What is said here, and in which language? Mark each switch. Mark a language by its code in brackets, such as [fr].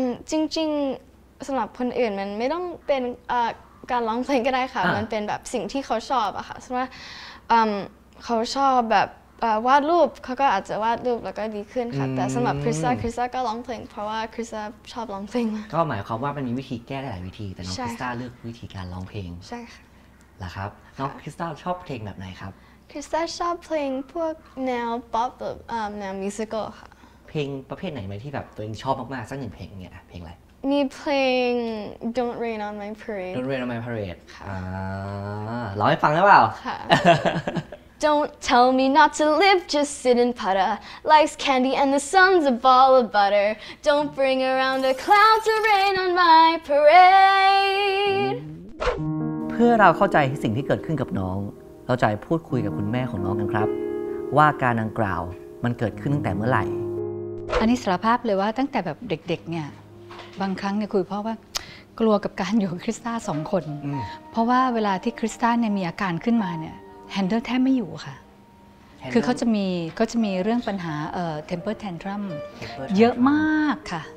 [th] จริงๆสำหรับคนอื่นมันไม่ต้องเป็นการร้องเพลงก็ได้ค่ะมันเป็นแบบสิ่งที่เขาชอบอะค่ะสมมติว่าเขาชอบแบบวาดรูปเขาก็อาจจะวาดรูปแล้วก็ดีขึ้นค่ะแต่สำหรับคริสต้าก็ร้องเพลงเพราะว่าคริสต้าชอบร้องเพลง ก็หมายความว่ามันมีวิธีแก้หลายวิธีแต่น้องคริสต้าเลือกวิธีการร้องเพลง ใช่ค่ ะ นะครับน้องคริสต้าชอบเพลงแบบไหนครับ คริสต้าชอบเพลงพวกแนวป๊อปแบบแนวมิวสิคอลค่ะ เพลงประเภทไหนไหมที่แบบตัวเองชอบมากๆสักหนึ่งเพลงเนี่ยเพลงอะไร มีเพลง Don't Rain on My Parade [en] Don't Rain on My Parade [th] ค่ะ ร้องให้ฟังได้เปล่า [en] ค่ะ Don't tell me not to live just sit and putter Likes candy and the sun's a ball of butter Don't bring around a cloud to rain on my parade [th] เพื่อเราเข้าใจสิ่งที่เกิดขึ้นกับน้องเราจะพูดคุยกับคุณแม่ของน้องกันครับว่าการดังกล่าวมันเกิดขึ้นตั้งแต่เมื่อไหร่ อันนี้สารภาพเลยว่าตั้งแต่แบบเด็กๆเนี่ยบางครั้งเนี่ยคุยพ่อว่ากลัวกับการอยู่คริสต้าสองคนเพราะว่าเวลาที่คริสต้าเนี่ยมีอาการขึ้นมาเนี่ยแฮนเดิลแทบไม่อยู่ค่ะ คือเขาจะมีเรื่องปัญหาtemper tantrum เยอะมากค่ะ